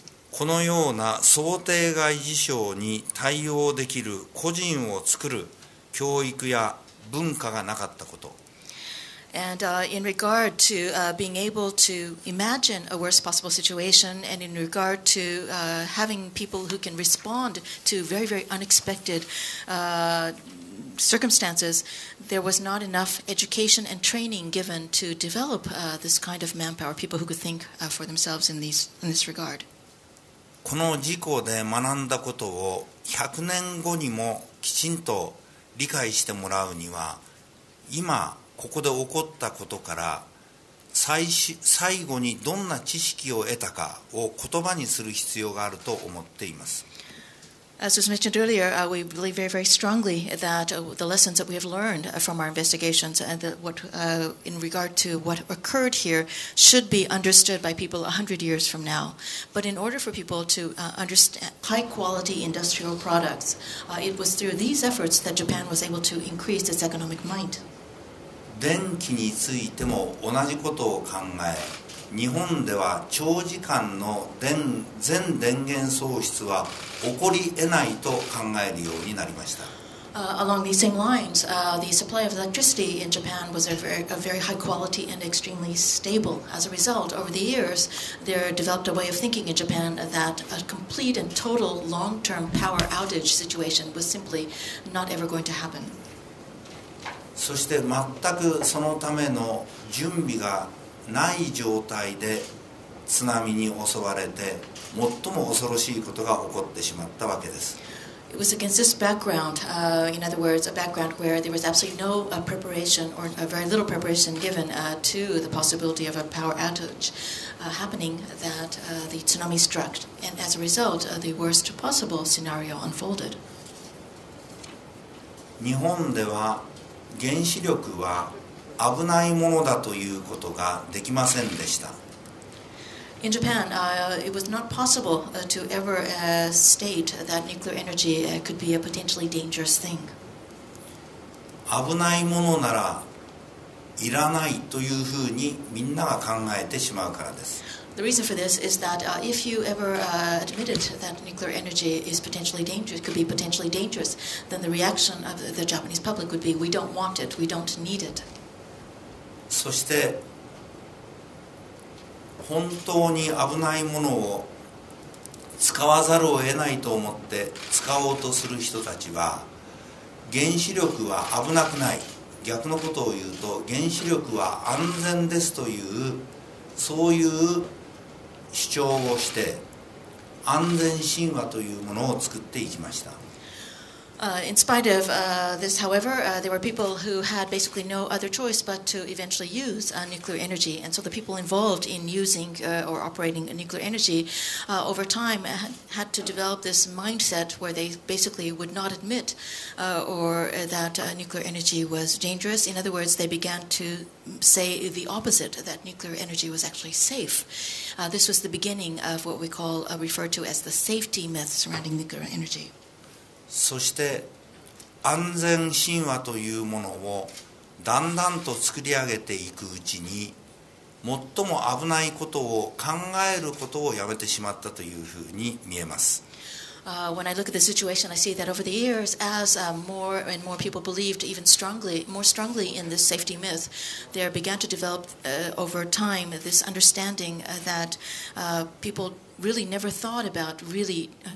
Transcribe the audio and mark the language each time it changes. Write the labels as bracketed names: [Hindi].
[Japanese] このような想定外事象に対応できる個人を作る教育や文化がなかったこと。 [English] And in regard to being able to imagine a worst possible situation, and in regard to having people who can respond to very, very unexpected circumstances, there was not enough education and training given to develop this kind of manpower, people who could think for themselves in this regard. [Japanese] この事故で学んだことを100年後にもきちんと理解してもらうには、今ここで起こったことから最後にどんな知識を得たかを言葉にする必要があると思っています。 [English] As was mentioned earlier, we believe very, very strongly that the lessons that we have learned from our investigations and that what, in regard to what occurred here should be understood by people 100 years from now. But in order for people to understand high-quality industrial products, it was through these efforts that Japan was able to increase its economic might. [Japanese] 電気についても同じことを考え、日本では長時間の全電源喪失は起こり得ないと考えるようになりました。 [English] Along these same lines, the supply of electricity in Japan was a very high quality and extremely stable. As a result, over the years, there developed a way of thinking in Japan that a complete and total long-term power outage situation was simply not ever going to happen. [Japanese] そして全くそのための準備がない状態で津波に襲われて最も恐ろしいことが起こってしまったわけです。 [English] It was against this background, in other words, a background where there was absolutely no preparation or very little preparation given to the possibility of a power outage happening that the tsunami struck. And as a result, the worst possible scenario unfolded. [Japanese] 日本では原子力は危ないものだということができませんでした。 [English] In Japan, it was not possible to ever state that nuclear energy could be a potentially dangerous thing. [Japanese] 危ないものならいらないというふうにみんなが考えてしまうからです。 [English] The reason for this is that if you ever admitted that nuclear energy is potentially dangerous, could be potentially dangerous, then the reaction of the Japanese public would be, we don't want it, we don't need it. [Japanese] そして本当に危ないものを使わざるを得ないと思って使おうとする人たちは、原子力は危なくない。逆のことを言うと、原子力は安全ですという、そういう主張をして安全神話というものを作っていきました。 [English] In spite of this, however, there were people who had basically no other choice but to eventually use nuclear energy. And so the people involved in using or operating nuclear energy over time had to develop this mindset where they basically would not admit or that nuclear energy was dangerous. In other words, they began to say the opposite, that nuclear energy was actually safe. This was the beginning of what we call, referred to as the safety myth surrounding nuclear energy. [Japanese] そして安全神話というものをだんだんと作り上げていくうちに、最も危ないことを考えることをやめてしまったというふうに見えます。 [English] When I look at the situation, I see that over the years, as more and more people believed even strongly, more strongly in this safety myth, there began to develop over time this understanding that people really never thought about really.